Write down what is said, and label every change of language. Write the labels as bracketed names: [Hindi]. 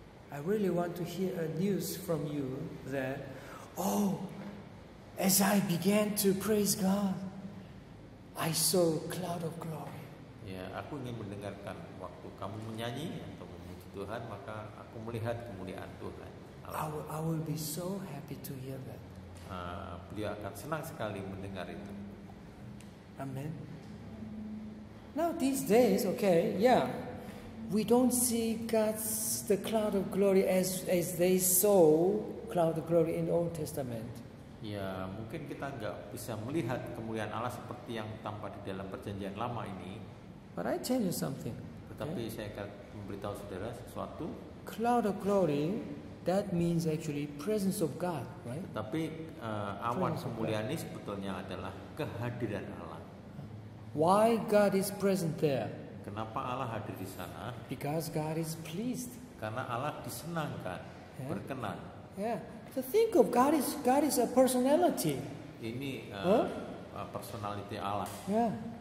[English] I really want to hear a news from you that, oh, as I began to praise God, I saw a cloud of glory. [Indonesian] Ya, aku ingin mendengarkan waktu kamu menyanyi atau memuji Tuhan, maka aku melihat kemuliaan Tuhan. [English] I will be so happy to hear that. [Indonesian] Beliau akan senang sekali mendengar itu. [English] Amen. Now these days, okay, yeah, we don't see God's the cloud of glory as they saw cloud of glory in the Old Testament. [Indonesian] Ya, mungkin kita enggak bisa melihat kemuliaan Allah seperti yang tampak di dalam perjanjian lama ini. [English] But I tell you something. [Indonesian] Tetapi saya akan memberitahu saudara sesuatu. [English] Cloud of glory, that means actually presence of God, right? [Indonesian] Tetapi awan kemuliaan ini sebetulnya adalah kehadiran Allah. [English] Why God is present there? [Indonesian] Kenapa Allah hadir di sana? [English] Because God is pleased. [Indonesian] Karena Allah disenangkan, berkenan. [English] Yeah. So think of God is a personality. [Indonesian] Ini personality Allah. [English] Yeah.